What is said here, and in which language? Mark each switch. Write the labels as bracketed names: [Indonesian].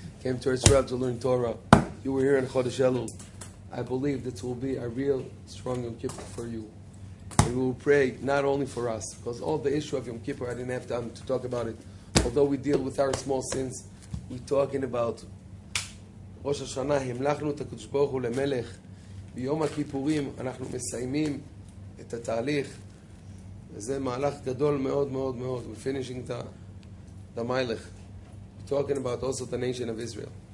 [English] Came to Israel to learn Torah. You were here in Chodesh Elul. I believe this will be a real strong Yom Kippur for you. And we will pray not only for us, because all the issue of Yom Kippur, I didn't have time to talk about it. Although we deal with our small sins, we're talking about Rosh Hashanah, [Hebrew] himlachnu et HaKadosh Baruch Hu lemelech. ביום הכיפורים אנחנו מסיימים את התהליך. וזה מהלך גדול מאוד מאוד מאוד. [English] We're finishing the מיילך. We're talking about also the nation of Israel.